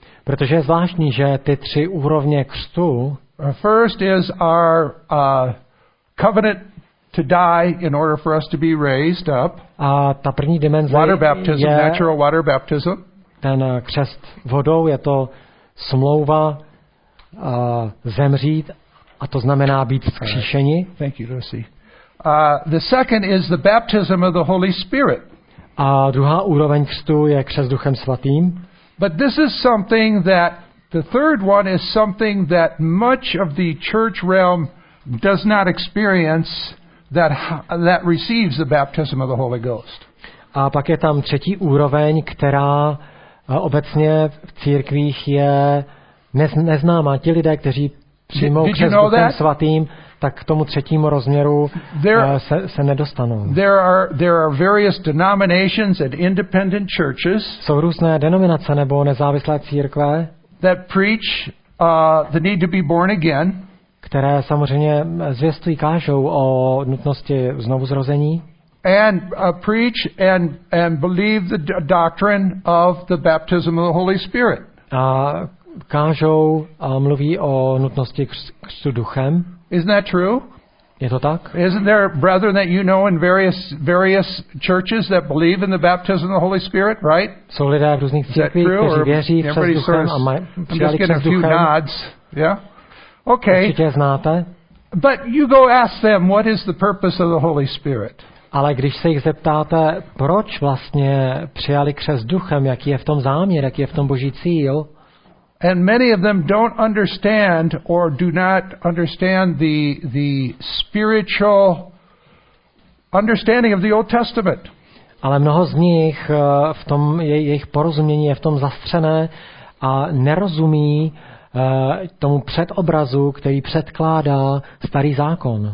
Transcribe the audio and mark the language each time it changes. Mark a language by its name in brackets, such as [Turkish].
[Czech] Protože je zvláštní, že ty tři úrovně křtu. [English] First is our covenant to die in order for us to be raised up. [Czech] A ta první dimenze [English] water baptism, je natural water baptism. [Czech] Ten křest vodou je to smlouva zemřít a to znamená být vzkříšeni. [English] Thank you, Lucy. The second is the baptism of the Holy Spirit. [Czech] A druhá úroveň křtu je křest Duchem Svatým. [English] But this is something that the third one is something that much of the church realm does not experience that receives the baptism of the Holy Ghost. [Czech] A pak je tam třetí úroveň, která obecně v církvích je neznámá. Ti lidé, kteří přijmou křest Duchem Svatým, tak k tomu třetímu rozměru se nedostanou. [English] There are various denominations and independent churches. [Czech] Jsou různé denominace nebo nezávislé církve. [English] That preach the need to be born again. [Czech] Které samozřejmě zvěstují, kážou o nutnosti znovuzrození. [English] And preach and believe the doctrine of the baptism of the Holy Spirit. [Czech] A kážou a mluví o nutnosti křtu duchem. [English] Isn't that true? [Czech] Je to tak? [English] Isn't there brethren that you know in various churches that believe in the baptism of the Holy Spirit, right? [Czech] Jsou lidé v různých církvích, kteří věří v křest duchem a mají přijali křest duchem. [English] I'm just getting a few nods. Yeah. Okay. [Czech] Určitě znáte. [English] But you go ask them, what is the purpose of the Holy Spirit? [Czech] Ale když se jich zeptáte, proč vlastně přijali křest duchem, jaký je v tom záměr, jaký je v tom boží cíl? [English] And many of them don't understand or do not understand the spiritual understanding of the Old Testament. [Czech] Ale mnoho z nich v tom jejich porozumění je v tom zastřené a nerozumí tomu předobrazu, který předkládá starý zákon.